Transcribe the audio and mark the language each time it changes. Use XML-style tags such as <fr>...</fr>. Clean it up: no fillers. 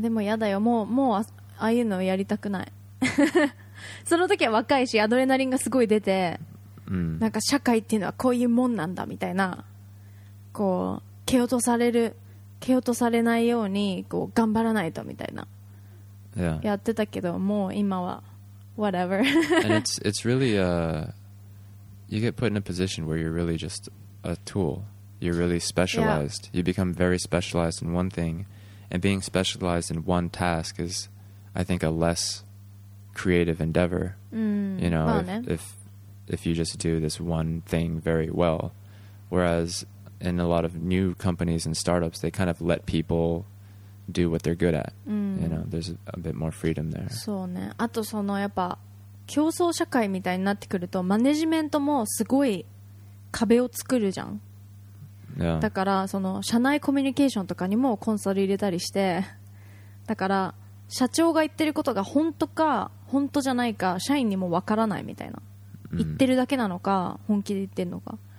<ja>でもやだよ、もう ああいうのやりたくない。その時は若いしアドレナリンがすごい出て、なんか社会っていうのはこういうもんなんだみたいな、こう蹴落とされる、蹴落とされないようにこう頑張らないとみたいな、やってたけど、もう今は whatever.</ja> <en>And it's really you get put in a position where you're really just a tool. You're really specialized. You become very specialized in one thing, and being specialized in one task is, I think, a less creative endeavor. You know, if you just do this one thing very well, whereas in a lot of new companies and startups, they kind of let people do what they're good at. You know, there's a bit more freedom there.</en> <ja>そうね。あとそのやっぱ競争社会みたいになってくると、マネジメントもすごい壁を作るじゃん。だからその社内コミュニケーションとかにもコンサル入れたりして、だから社長が言ってることが本当か本当じゃないか社員にも分からないみたいな、言ってるだけなのか本気で言ってるのか。</ja>